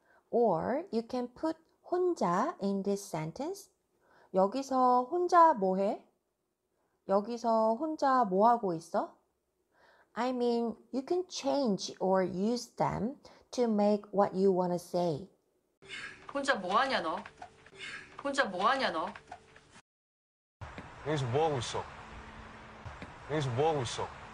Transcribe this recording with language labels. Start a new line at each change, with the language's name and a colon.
English: Or you can put 혼자 in this sentence.
Korean: 여기서 혼자 뭐 해? 여기서 혼자 뭐 하고 있어?
English: I mean, you can change or use them to make what you want to say.
Korean: 혼자 뭐 하냐 너? 혼자 뭐 하냐 너? 여기서 뭐 하고 있어? 여기서 뭐 하고 있어?